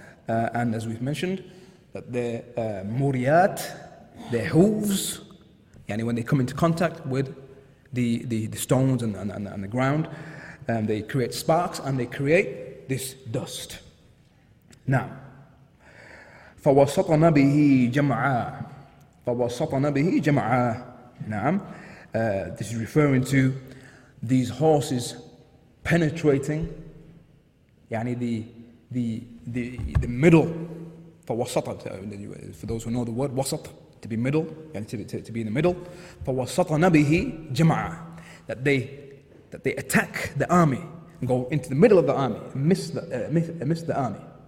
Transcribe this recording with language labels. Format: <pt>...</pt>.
<en>And as we've mentioned, that their muriyat, their hooves, yani when they come into contact with the stones and the ground, they create sparks and they create this dust.</en> <ar>Now, فَوَسَطَنَ بِهِ جَمْعًا فَوَسَطَنَ بِهِ جَمْعًا نعم.</ar> <en>This is referring to these horses penetrating yani the middle. For those who know the word wasat, to be middle, and to be in the middle,</en> <ar>فَوَسَطَنَ بِهِ جَمْعًا,</ar> <en>that they attack the army, and go into the middle of the army, miss the army.</en>